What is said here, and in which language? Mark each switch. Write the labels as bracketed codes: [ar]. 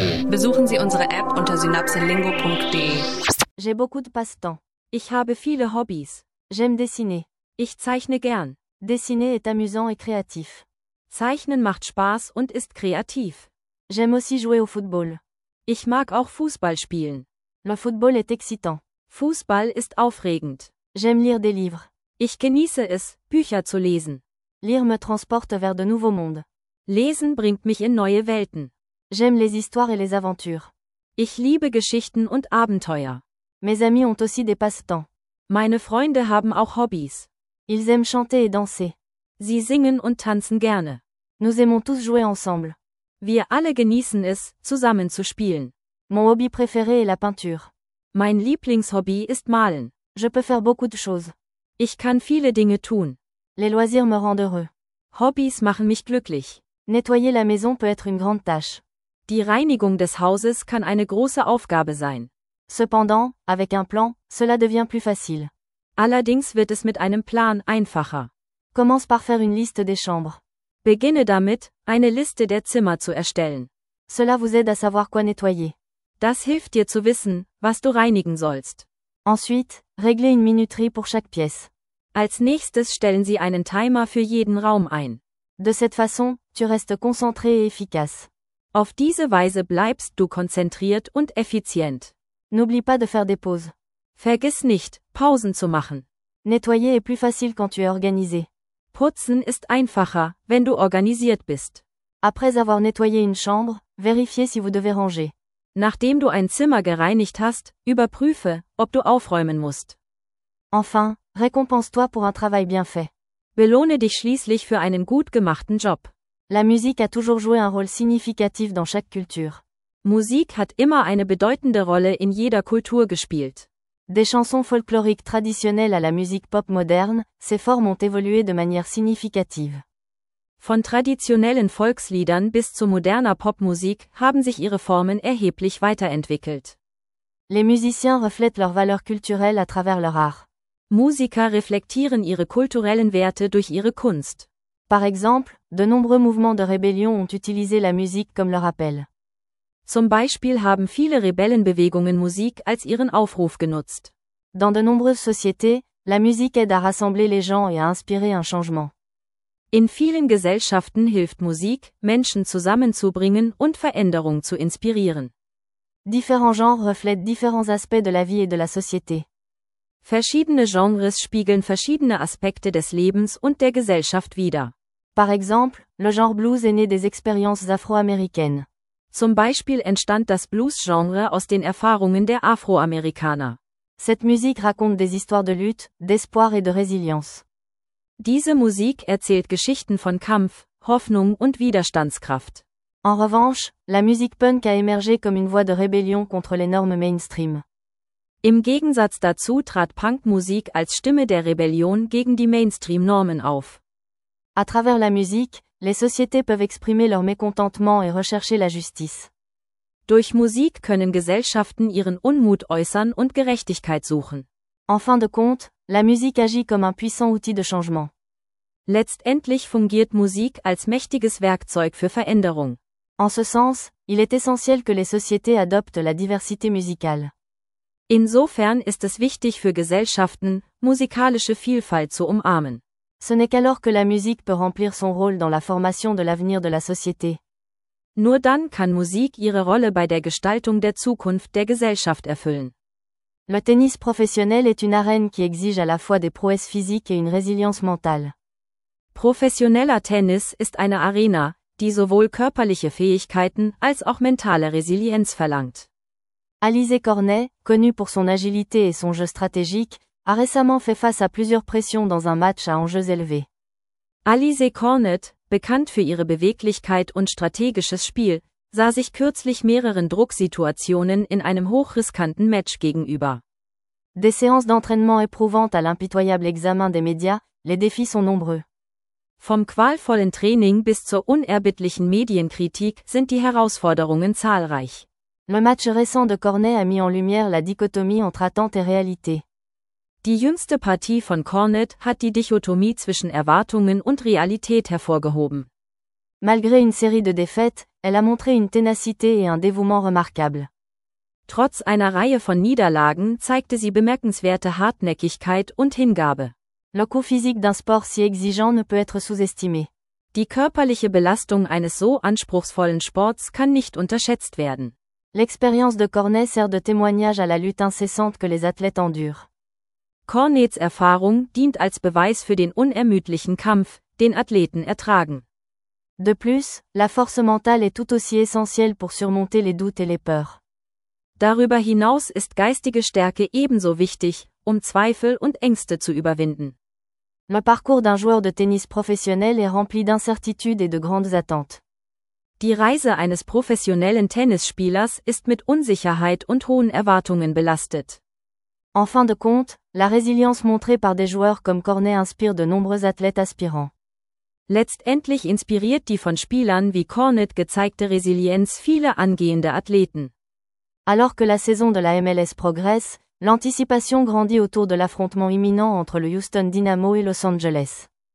[de] Besuchen Sie unsere App unter synapselingo.de. [fr] J'ai beaucoup de passe-temps. [de] Ich habe viele Hobbys. [fr] J'aime dessiner. [de] Ich zeichne gern. [fr] Dessiner est amusant et créatif. [de] Zeichnen macht Spaß und ist kreativ. [fr] J'aime aussi jouer au football. [de] Ich mag auch Fußball spielen. [fr] Le football est excitant. [de] Fußball ist aufregend. [fr] J'aime lire des livres. [de] Ich genieße es, Bücher zu lesen. [fr] Lire me transporte vers de nouveaux mondes. [de] Lesen bringt mich in neue Welten. [fr] J'aime les histoires et les aventures. [de] Ich liebe Geschichten und Abenteuer. [fr] Mes amis ont aussi des passe-temps. [de] Meine Freunde haben auch Hobbys. [fr] Ils aiment chanter et danser. [de] Sie singen und tanzen gerne. [fr] Nous aimons tous jouer ensemble. [de] Wir alle genießen es, zusammen zu spielen. [fr] Mon hobby préféré est la peinture. [de] Mein Lieblingshobby ist Malen. [fr] Je peux faire beaucoup de choses. [de] Ich kann viele Dinge tun. [fr] Les loisirs me rendent heureux. [de] Hobbys machen mich glücklich. [fr] Nettoyer la maison peut être une grande tâche. [de] Die Reinigung des Hauses kann eine große Aufgabe sein. [fr] Cependant, avec un plan, cela devient plus facile. [de] Allerdings wird es mit einem Plan einfacher. [fr] Commence par faire une liste des chambres. [de] Beginne damit, eine Liste der Zimmer zu erstellen. [fr] Cela vous aide à savoir quoi nettoyer. [de] Das hilft dir zu wissen, was du reinigen sollst. [fr] Ensuite, réglez une minuterie pour chaque pièce. [de] Als nächstes stellen Sie einen Timer für jeden Raum ein. [fr] De cette façon, tu restes concentré et efficace. [de] Auf diese Weise bleibst du konzentriert und effizient. [fr] N'oublie pas de faire des pauses. [de] Vergiss nicht, Pausen zu machen. [fr] Nettoyer est plus facile quand tu es organisé. [de] Putzen ist einfacher, wenn du organisiert bist. [fr] Après avoir nettoyé une chambre, vérifiez si vous devez ranger. [de] Nachdem du ein Zimmer gereinigt hast, überprüfe, ob du aufräumen musst. [fr] Enfin, récompense-toi pour un travail bien fait. [de] Belohne dich schließlich für einen gut gemachten Job. [fr] La musique a toujours joué un rôle significatif dans chaque culture. [de] Musik hat immer eine bedeutende Rolle in jeder Kultur gespielt. [fr] Des chansons folkloriques traditionnelles à la musique pop moderne, ces formes ont évolué de manière significative. [de] Von traditionellen Volksliedern bis zu moderner Popmusik haben sich ihre Formen erheblich weiterentwickelt. [fr] Les musiciens reflètent leurs valeurs culturelles à travers leur art. [de] Musiker reflektieren ihre kulturellen Werte durch ihre Kunst. [fr] Par exemple, de nombreux mouvements de rébellion ont utilisé la musique comme leur appel. [de] Zum Beispiel haben viele Rebellenbewegungen Musik als ihren Aufruf genutzt. [fr] Dans de nombreuses sociétés, la musique aide à rassembler les gens et à inspirer un changement. [de] In vielen Gesellschaften hilft Musik, Menschen zusammenzubringen und Veränderung zu inspirieren. [fr] Différents genres reflètent différents aspects de la vie et de la société. [de] Verschiedene Genres spiegeln verschiedene Aspekte des Lebens und der Gesellschaft wider. [fr] Par exemple, le genre blues est né des expériences afro-américaines. [de] Zum Beispiel entstand das Blues-Genre aus den Erfahrungen der Afroamerikaner. [fr] Cette musique raconte des histoires de lutte, d'espoir et de résilience. [de] Diese Musik erzählt Geschichten von Kampf, Hoffnung und Widerstandskraft. [fr] En revanche, la musique punk a émergé comme une voie de rébellion contre les normes mainstream. [de] Im Gegensatz dazu trat Punkmusik als Stimme der Rebellion gegen die Mainstream-Normen auf. [fr] À travers la musique, les sociétés peuvent exprimer leur mécontentement et rechercher la justice. [de] Durch Musik können Gesellschaften ihren Unmut äußern und Gerechtigkeit suchen. [fr] En fin de compte, la musique agit comme un puissant outil de changement. [de] Letztendlich fungiert Musik als mächtiges Werkzeug für Veränderung. [fr] En ce sens, il est essentiel que les sociétés adoptent la diversité musicale. [de] Insofern ist es wichtig für Gesellschaften, musikalische Vielfalt zu umarmen. [fr] Ce n'est qu'alors que la musique peut remplir son rôle dans la formation de l'avenir de la société. [de] Nur dann kann Musik ihre Rolle bei der Gestaltung der Zukunft der Gesellschaft erfüllen. [fr] Le tennis professionnel est une arène qui exige à la fois des prouesses physiques et une résilience mentale. [de] Professioneller Tennis ist eine Arena, die sowohl körperliche Fähigkeiten als auch mentale Resilienz verlangt. [fr] Alizé Cornet, connue pour son agilité et son jeu stratégique, a récemment fait face à plusieurs pressions dans un match à enjeux élevés. [de] Alizé Cornet, bekannt für ihre Beweglichkeit und strategisches Spiel, sah sich kürzlich mehreren Drucksituationen in einem hochriskanten Match gegenüber. [fr] Des séances d'entraînement éprouvantes à l'impitoyable examen des médias, les défis sont nombreux. [de] Vom qualvollen Training bis zur unerbittlichen Medienkritik sind die Herausforderungen zahlreich. [fr] Le match récent de Cornet a mis en lumière la dichotomie entre attente et réalité. [de] Die jüngste Partie von Cornet hat die Dichotomie zwischen Erwartungen und Realität hervorgehoben. [fr] Malgré une série de défaites, elle a montré une ténacité et un dévouement remarquables. [de] Trotz einer Reihe von Niederlagen zeigte sie bemerkenswerte Hartnäckigkeit und Hingabe. [fr] L'occult physique d'un sport si exigeant ne peut être sous-estimé. [de] Die körperliche Belastung eines so anspruchsvollen Sports kann nicht unterschätzt werden. [fr] L'expérience de Cornet sert de témoignage à la lutte incessante que les athlètes endurent. [de] Cornets Erfahrung dient als Beweis für den unermüdlichen Kampf, den Athleten ertragen. [fr] De plus, la force mentale est tout aussi essentielle pour surmonter les doutes et les peurs. [de] Darüber hinaus ist geistige Stärke ebenso wichtig, um Zweifel und Ängste zu überwinden. [fr] Le parcours d'un joueur de tennis professionnel est rempli d'incertitudes et de grandes attentes. [de] Die Reise eines professionellen Tennisspielers ist mit Unsicherheit und hohen Erwartungen belastet. [fr] En fin de compte, la résilience montrée par des joueurs comme Cornet inspire de nombreux athlètes aspirants. [de] Letztendlich inspiriert die von Spielern wie Cornet gezeigte Resilienz viele angehende Athleten. [fr] Alors que la saison de la MLS progresse, l'anticipation grandit autour de l'affrontement imminent entre le Houston Dynamo et Los Angeles.